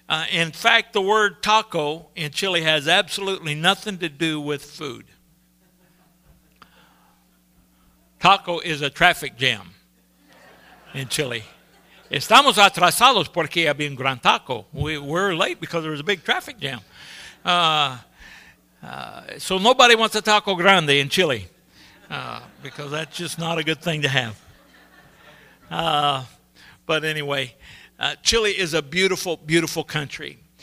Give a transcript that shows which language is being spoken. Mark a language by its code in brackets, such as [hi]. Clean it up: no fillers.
[en] In fact, the word taco in Chile has absolutely nothing to do with food. Taco is a traffic jam in Chile. [es] Estamos atrasados porque había un gran taco. [en] We're late because there was a big traffic jam. So nobody wants a taco grande in Chile. Because that's just not a good thing to have. But anyway, Chile is a beautiful, beautiful country.